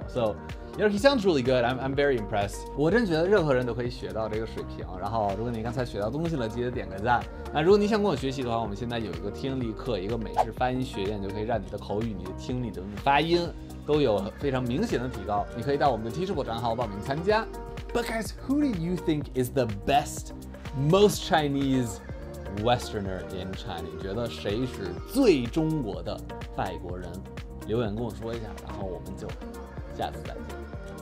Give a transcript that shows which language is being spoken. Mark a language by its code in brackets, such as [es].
[en] So you know, he sounds really good. I'm very impressed. [zh] 我真觉得任何人都可以学到这个水平。然后如果你刚才学到东西了，记得点个赞。那如果你想跟我学习的话，我们现在有一个听力课，一个美式发音学院，就可以让你的口语、你的听力、你的发音都有非常明显的提高。你可以到我们的 Teachable 账号报名参加。 [en] But guys, who do you think is the best, most Chinese Westerner in China? [zh] 你觉得谁是最中国的外国人？留言跟我说一下，然后我们就下次再见。